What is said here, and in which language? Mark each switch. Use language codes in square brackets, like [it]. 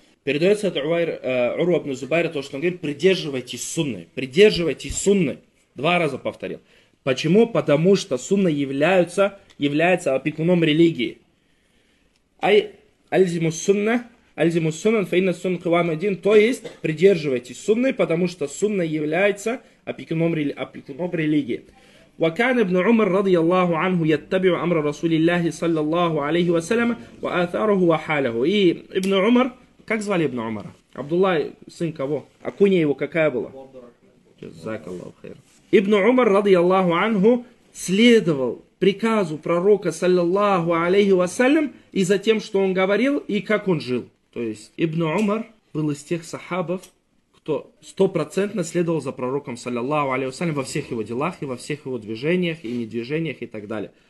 [ru] Передается от Урва ибн Зубайра то, что он говорит, придерживайтесь сунны, два раза повторил. Почему? Потому что сунны являются является опекуном религии. [ar] Ай альзиму сунна, альзиму сунна, фаинна сунна кавам один, [ru] то есть придерживайтесь сунны, потому что сунна является опекуном религии. [ar] وكان ابن عمر رضي الله عنه يتبع أمر رسول الله صلى الله عليه وسلم وآثاره وحاله. [ru] И ابن عمر, как звали ابن عمر? عبد الله, сын кого? А кунья его какая была? [ar] جزاك الله خير. [ru] ابن عمر رضي الله عنه следовал приказу пророка [ar] صلى الله عليه وسلم [ru] и за тем, что он говорил и как он жил. То есть ابن عمر был из тех сахабов, то стопроцентно следовал за пророком саллиллаху алейхи ва саллям во всех его делах и во всех его движениях и недвижениях и так далее.